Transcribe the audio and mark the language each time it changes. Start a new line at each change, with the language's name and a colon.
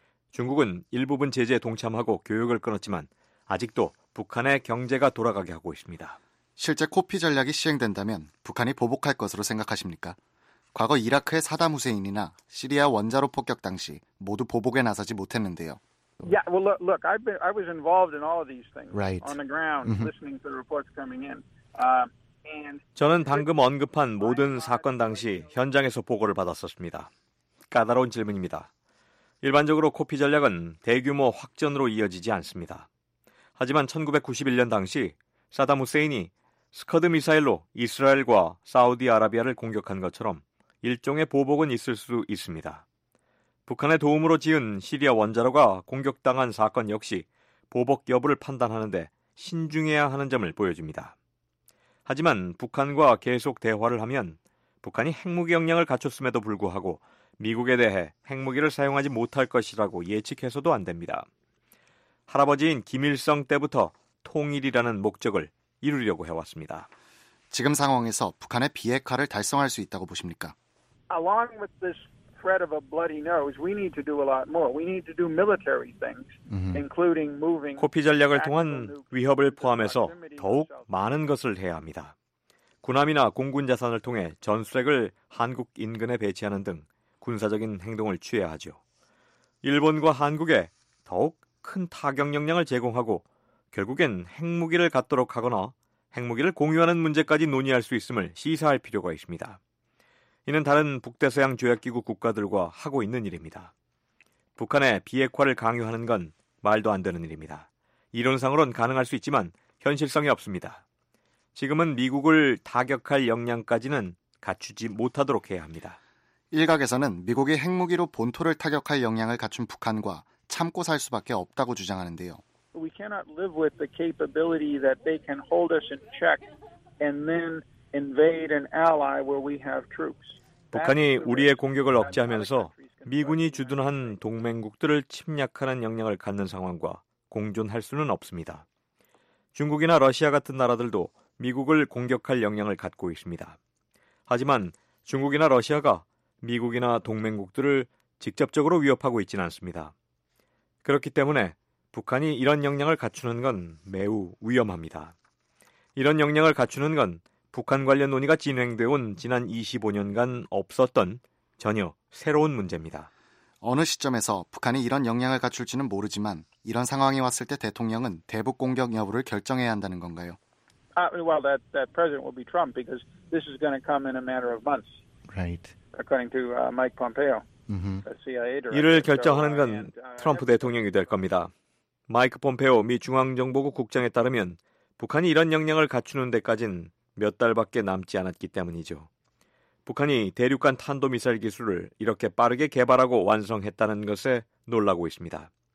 Korean: 중국은 일부분 제재에 동참하고 교역을 끊었지만 아직도 북한의 경제가 돌아가게 하고 있습니다. 실제 코피 전략이 시행된다면 북한이 보복할 것으로 생각하십니까? 과거 이라크의 사담 후세인이나 시리아 원자로 폭격 당시 모두 보복에 나서지 못했는데요.
English: Yeah, well, look, I was involved in all of these things on the ground, listening to the reports coming in.
Korean: 저는 방금 언급한 모든 사건 당시 현장에서 보고를 받았었습니다. 까다로운 질문입니다. 일반적으로 코피 전략은 대규모 확전으로 이어지지 않습니다. 하지만 1991년 당시 사담 후세인이 스커드 미사일로 이스라엘과 사우디아라비아를 공격한 것처럼 일종의 보복은 있을 수 있습니다. 북한의 도움으로 지은 시리아 원자로가 공격당한 사건 역시 보복 여부를 판단하는데 신중해야 하는 점을 보여줍니다. 하지만 북한과 계속 대화를 하면 북한이 핵무기 역량을 갖췄음에도 불구하고 미국에 대해 핵무기를 사용하지 못할 것이라고 예측해서도 안 됩니다. 할아버지인 김일성 때부터 통일이라는 목적을 이루려고 해왔습니다. 지금 상황에서 북한의 비핵화를 달성할 수 있다고 보십니까?
English: Along with this threat of a bloody nose, we need to do a lot more. We need to do military things, including moving.
Korean: 코피 전략을 통한 위협을 포함해서 더욱 많은 것을 해야 합니다. 군함이나 공군 자산을 통해 전술핵을 한국 인근에 배치하는 등 군사적인 행동을 취해야 하죠. 일본과 한국에 더욱 큰 타격 역량을 제공하고 결국엔 핵무기를 갖도록 하거나 핵무기를 공유하는 문제까지 논의할 수 있음을 시사할 필요가 있습니다. 이는 다른 북대서양 조약기구 국가들과 하고 있는 일입니다. 북한의 비핵화를 강요하는 건 말도 안 되는 일입니다. 이론상으로는 가능할 수 있지만 현실성이 없습니다. 지금은 미국을 타격할 역량까지는 갖추지 못하도록 해야 합니다. 일각에서는 미국이 핵무기로 본토를 타격할 역량을 갖춘 북한과 참고 살 수밖에 없다고 주장하는데요.
English: We cannot live with the capability that they can hold us in check and then invade an ally where we have troops.
Korean: 북한이 우리의 공격을 억제하면서 미군이 주둔한 동맹국들을 침략하는 역량을 갖는 상황과 공존할 수는 없습니다. 중국이나 러시아 같은 나라들도 미국을 공격할 역량을 갖고 있습니다. 하지만 중국이나 러시아가 미국이나 동맹국들을 직접적으로 위협하고 있지는 않습니다. 그렇기 때문에 북한이 이런 역량을 갖추는 건 매우 위험합니다. 이런 역량을 갖추는 건 북한 관련 논의가 진행되어 온 지난 25년간 없었던 전혀 새로운 문제입니다. 어느 시점에서 북한이 이런 역량을 갖출지는 모르지만 이런 상황이 왔을 때 대통령은 대북 공격 여부를 결정해야 한다는 건가요?
English: Well, that president will be Trump because this is going to come in a matter of months. Right. According to Mike Pompeo. CIA
Korean: 이를 결정하는 건 트럼프 대통령이 될 겁니다. 마이크 폼페오 미 중앙정보국 국장에 따르면 북한이 이런 역량을 갖추는 데까진 몇 달밖에 남지 않았기 때문이죠. 북한이 대륙간 탄도미사일 기술을 이렇게 빠르게 개발하고 완성했다는 것에 놀라고 있습니다.